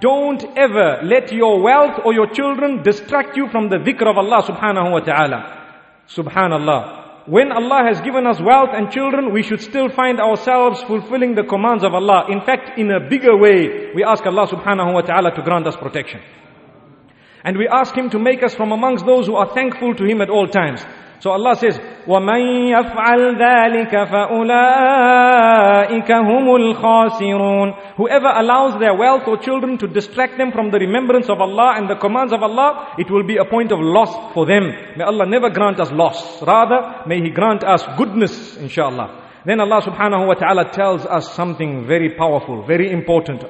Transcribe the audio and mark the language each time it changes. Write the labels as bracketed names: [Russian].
[English] Don't ever let your wealth or your children distract you from the dhikr of Allah subhanahu wa ta'ala. Subhanallah. When Allah has given us wealth and children, we should still find ourselves fulfilling the commands of Allah. In fact, in a bigger way, we ask Allah subhanahu wa ta'ala to grant us protection. And we ask Him to make us from amongst those who are thankful to Him at all times. So Allah says, [Arabic] وَمَنْ يَفْعَلْ ذَٰلِكَ فَأُولَٰئِكَ هُمُ الْخَاسِرُونَ. [English] Whoever allows their wealth or children to distract them from the remembrance of Allah and the commands of Allah, it will be a point of loss for them. May Allah never grant us loss. Rather, may He grant us goodness, inshallah. Then Allah subhanahu wa ta'ala tells us something very powerful, very important.